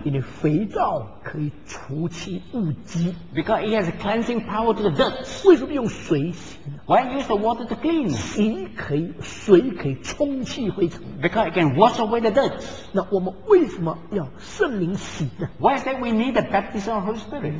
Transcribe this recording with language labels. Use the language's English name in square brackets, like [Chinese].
[Chinese] 因为肥皂可以除去污迹。 [English] Because it has a cleansing power to the dirt. [Chinese] 为什么用水洗呢？ [English] Why use the water to clean? [Chinese] 洗可以，水可以冲去灰尘。 [English] Because it can wash away the dirt. [Chinese] 那我们为什么要圣灵洗呢？ [English] Why is that we need the baptism of the Holy Spirit?